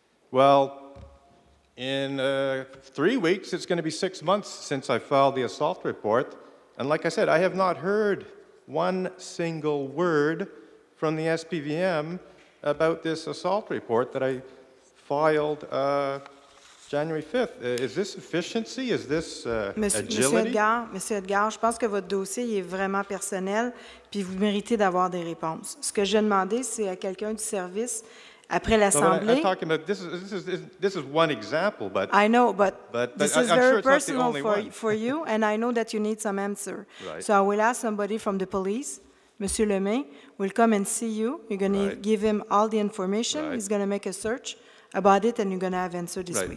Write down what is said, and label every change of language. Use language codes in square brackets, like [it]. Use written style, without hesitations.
[en] Well, in 3 weeks, it's going to be 6 months since I filed the assault report. And like I said, I have not heard one single word from the SPVM about this assault report that I filed January 5th. Is this efficiency? Is this agility? [fr] Monsieur Edgar, je pense que votre dossier est vraiment personnel, puis vous méritez d'avoir des réponses. Ce que j'ai demandé, c'est à quelqu'un du service, après l'Assemblée... [en] I'm talking about, this is one example, but... I know, but this is very personal for you, and I know that you need some answer. Right. So I will ask somebody from the police, Monsieur Lemay, will come and see you. You're going to give him all the information. Right. He's going to make a search about it, and you're going to have answer this week.